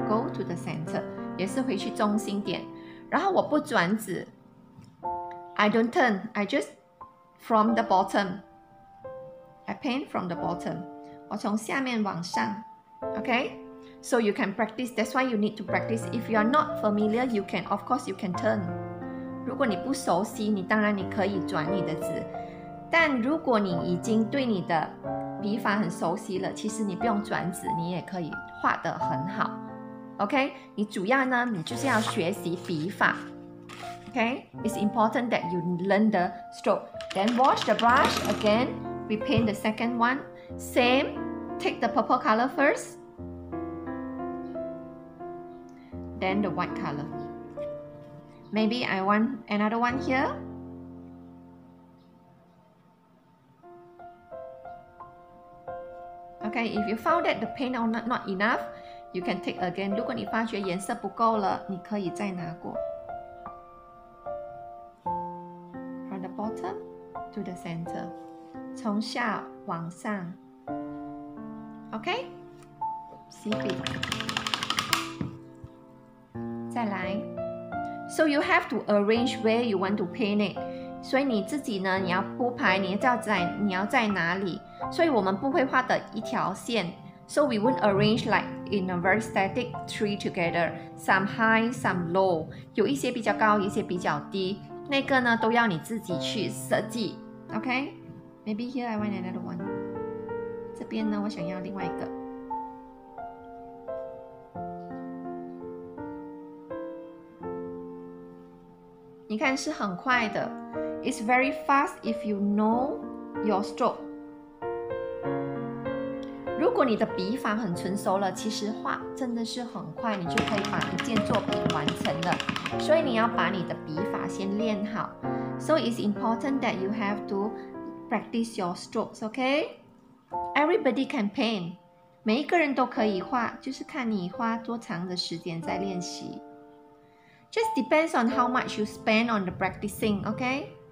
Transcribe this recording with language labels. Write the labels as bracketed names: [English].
[English] Go to the center. [Chinese] 也是回去中心点。然后我不转纸。 [English] I don't turn. I just from the bottom. I paint from the bottom. [Chinese] 我从下面往上。Okay? [English] So you can practice. That's why you need to practice. If you are not familiar, you can, of course, you can turn. [Chinese] 如果你不熟悉，你当然你可以转你的纸。但如果你已经对你的笔法很熟悉了，其实你不用转纸，你也可以画得很好。 OK， 你主要呢，你就是要学习笔法。 [English] OK， it's important that you learn the stroke. Then wash the brush again. We paint the second one. Same. Take the purple color first. Then the white color. Maybe I want another one here. Okay, if you found that the paint are not enough, you can take again. [Chinese] 如果你发觉颜色不够了，你可以再拿过。 [English] From the bottom to the center. [Chinese] 从下往上。 [English] Okay? [Chinese] 洗笔。再来。 [English] So you have to arrange where you want to paint it. [Chinese] 所以你自己呢，你要铺排，你要在哪里？所以我们不会画的一条线。 [English] So we won't arrange like in a very static tree together. Some high, some low. [Chinese] 有一些比较高，一些比较低。那个呢，都要你自己去设计。 [English] Okay? Maybe here I want another one. [Chinese] 这边呢，我想要另外一个。你看是很快的。 [English] It's very fast if you know your stroke. [Chinese] 如果你的笔法很纯熟了，其实画真的是很快，你就可以把一件作品完成了。所以你要把你的笔法先练好。 [English] So it's important that you have to practice your strokes, okay? Everybody can paint. [Chinese] 每一个人都可以画，就是看你花多长的时间在练习。 [English] Just depends on how much you spend on the practicing, okay?